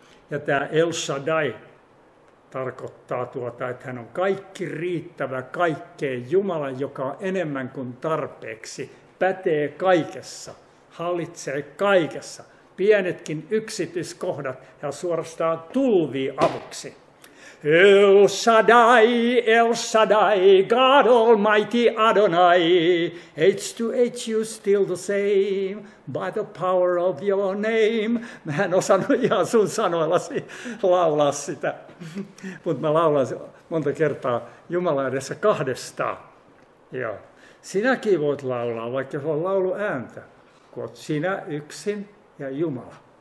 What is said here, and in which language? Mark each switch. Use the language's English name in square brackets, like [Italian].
[Finnish] Ja tämä El Shaddai tarkoittaa että hän on kaikki riittävä kaikkeen, Jumala, joka on enemmän kuin tarpeeksi, pätee kaikessa, hallitsee kaikessa, pienetkin yksityiskohdat ja suorastaan tulvii avuksi. [English] El Shaddai, El Shaddai, God Almighty Adonai, age to age you still the same, by the power of your name. [Finnish] Mä en osannut ihan sun sanoillasi laulaa sitä, mutta mä laulan monta kertaa Jumala edessä kahdestaan. Joo. Sinäkin voit laulaa, vaikka se on laulu ääntä, kun oot sinä yksin ja Jumala.